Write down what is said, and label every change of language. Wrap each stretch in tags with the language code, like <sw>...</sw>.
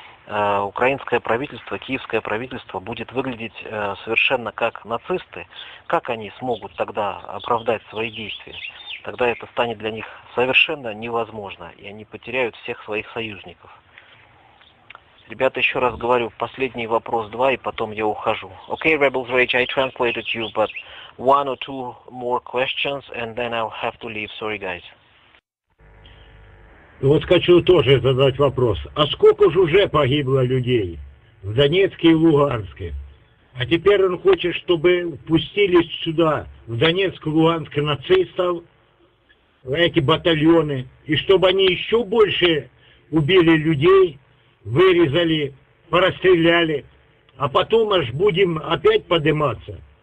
<ru>Украинское правительство, киевское правительство будет выглядеть совершенно как нацисты. Как они смогут тогда оправдать свои действия? Тогда это станет для них совершенно невозможно, и они потеряют всех своих союзников. Ребята, еще раз говорю, последний вопрос два, и потом я ухожу.</ru> <en>Okay, Rebels Rage, I translated you, but one or two more questions, and then I'll have to leave. Sorry, guys.</en> <ru>Вот хочу тоже задать вопрос. А сколько же уже погибло людей в Донецке и Луганске? А теперь он хочет, чтобы пустились сюда, в Донецк и Луганск, нацистов, эти батальоны, и чтобы они еще больше убили людей, вырезали, порастреляли, а потом аж будем опять подниматься.</ru>